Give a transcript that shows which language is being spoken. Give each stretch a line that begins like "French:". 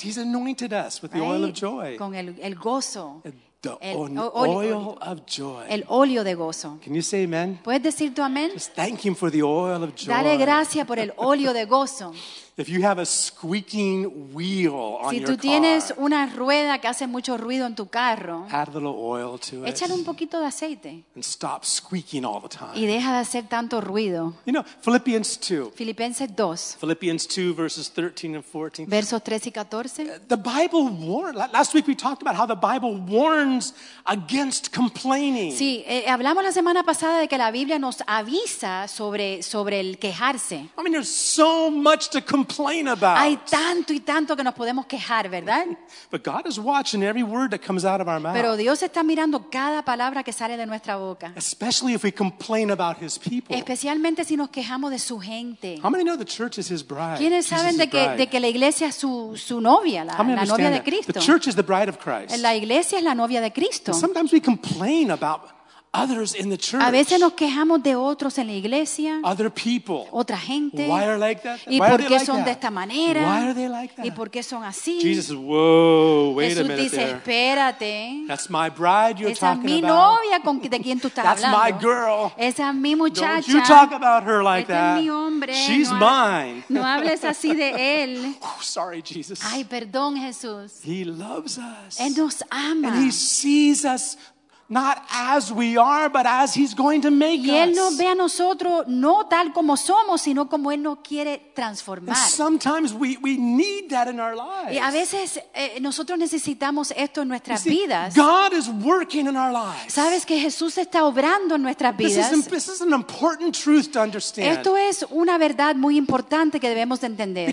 English: He's anointed us with right? The oil of joy.
Spanish: Con el gozo.
English: Oil of joy.
Spanish: El óleo de gozo.
English: Can you say amen?
Spanish: ¿Puedes decir tu amén?
English: Just thank him for the oil of joy.
Spanish: Dale gracias por el óleo de gozo.
English: If you have a squeaking wheel on your car.
Spanish: Si tú tienes una rueda que hace mucho ruido en tu carro.
English: Add a little oil to it.
Spanish: Échale un poquito de aceite.
English: And stop squeaking all the time.
Spanish: Y deja de hacer tanto ruido.
English: You know, Philippians 2.
Spanish: Filipenses 2.
English: Philippians 2 verses 13 and 14.
Spanish: Versos 13 y 14.
English: The Bible warns. Last week we talked about how the Bible warns against complaining.
Spanish: Sí, hablamos la semana pasada de que la Biblia nos avisa sobre el quejarse.
English: I mean, there's so much to complain about.
Spanish: Hay tanto y tanto que nos podemos quejar, ¿verdad?
English: But God is watching every word that comes out of our mouth.
Spanish: Pero Dios está mirando cada palabra que sale de nuestra boca.
English: Especially if we complain about his people.
Spanish: Especialmente si nos quejamos de su gente.
English: How many know the church is his bride?
Spanish: ¿Quiénes saben de que la iglesia es su novia, la novia de Cristo?
English: The church is the bride of Christ.
Spanish: La iglesia es la novia de Cristo.
English: And sometimes we complain about others in the church.
Spanish: A veces nos quejamos de otros en la iglesia.
English: Other people.
Spanish: Otra gente.
English: Why are like that?
Spanish: ¿Y por qué son de esta manera?
English: Why are they like that?
Spanish: ¿Y por qué son así?
English: Jesus says, "Whoa, wait a minute."
Spanish: Jesús dice, "Espérate."
English: That's my bride you're
Spanish: esa
English: talking about.
Spanish: Esa es mi novia con de quien tú estás
English: that's
Spanish: hablando.
English: That's my girl.
Spanish: Esa es mi muchacha.
English: Don't you talk about her like
Spanish: este
English: that.
Spanish: Es mi hombre.
English: She's
Spanish: no
English: mine.
Spanish: No hables así de él.
English: Sorry, Jesus.
Spanish: Ay, perdón, Jesús.
English: He loves us.
Spanish: Él nos ama.
English: And he sees us not as we are, but as he's going to make
Spanish: us. Y él nos ve a nosotros no tal como somos, sino como él nos quiere transformar. And sometimes we need that in our lives. Y a veces nosotros necesitamos esto en nuestras
English: see,
Spanish: vidas.
English: God is working in our lives.
Spanish: Sabes que Jesús está obrando en nuestras vidas.
English: This is an important truth to understand.
Spanish: Esto es una verdad muy importante que debemos de entender.